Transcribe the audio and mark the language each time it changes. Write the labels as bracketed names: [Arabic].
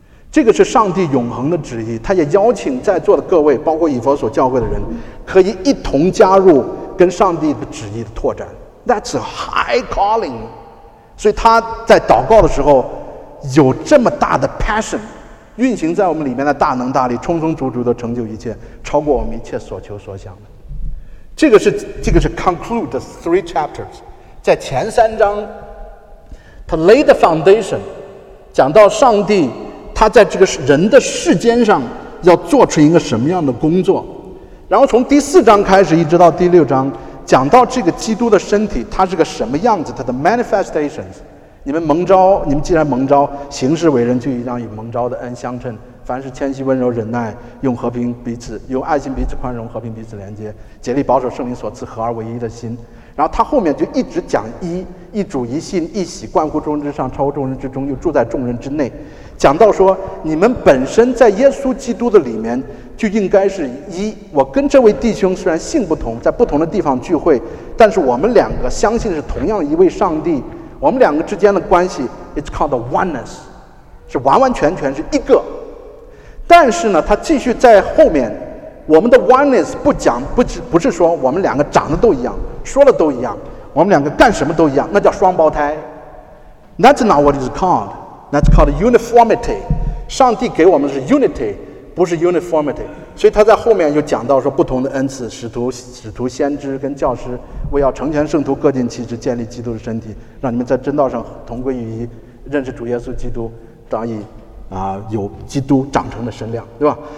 [Chinese] 这个是上帝永恒的旨意，他也邀请在座的各位，包括以弗所教会的人，可以一同加入跟上帝的旨意的拓展。 [English] That's a high calling. [Chinese] 所以他在祷告的时候有这么大的 passion, 运行在我们里面的大能大力，充充足足的成就一切，超过我们一切所求所想的。这个是 [English] conclude the three chapters. [Chinese] 在前三章他 [English] lay the foundation, [Chinese] 讲到上帝他在这个人的世间上要做成一个什么样的工作，然后从第四章开始一直到第六章，讲到这个基督的身体他是个什么样子，他的 manifestations。你们蒙召，你们既然蒙召，行事为人就应当以蒙召的恩相称，凡是谦虚温柔忍耐，用和平彼此，用爱心彼此宽容，和平彼此连接，竭力保守圣灵所赐合而为一的心。然后他后面就一直讲一，一主一信一喜，贯乎众人之上，超乎众人之中，又住在众人之内，讲到说你们本身在耶稣基督的里面就应该是一。我跟这位弟兄虽然性不同，在不同的地方聚会，但是我们两个相信是同样一位上帝，我们两个之间的关系 [English] it's called oneness， [Chinese] 是完完全全是一个。但是呢，他继续在后面，我们的 oneness 不是说我们两个长得都一样，说的都一样，我们两个干什么都一样，那叫双胞胎。 [English] That's not what it's called. That's called uniformity. [Chinese] 上帝给我们的是 unity， 不是 uniformity。所以他在后面又讲到说，不同的恩赐，使徒先知跟教师，为要成全圣徒，各尽其职，建立基督的身体，让你们在真道上同归于一，认识主耶稣基督，长以有基督长成的身量，对吧？